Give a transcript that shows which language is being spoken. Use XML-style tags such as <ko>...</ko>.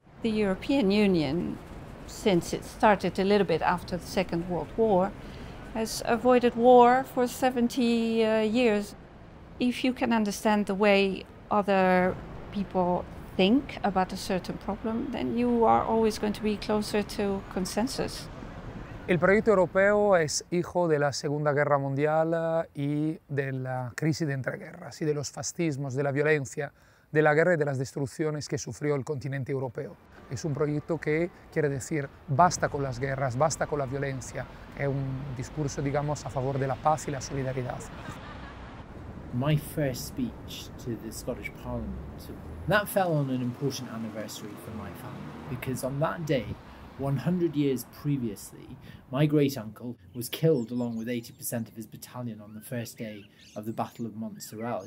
<en>The European Union, since it started a little bit after the Second World War, has avoided war for 70 years. If you can understand the way other people think about a certain problem, then you are always going to be closer to consensus.</en> <es>El proyecto europeo es hijo de la Segunda Guerra Mundial y de la crisis de entreguerras y de los fascismos, de la violencia, de la guerra y de las destrucciones que sufrió el continente europeo. Es un proyecto que quiere decir basta con las guerras, basta con la violencia. Es un discurso, digamos, a favor de la paz y la solidaridad.</es> <en>My first speech to the Scottish Parliament, that fell on an important anniversary for my family, because on that day, 100 years previously, my great uncle was killed along with 80% of his battalion on the first day of the Battle of Montserrat.</en>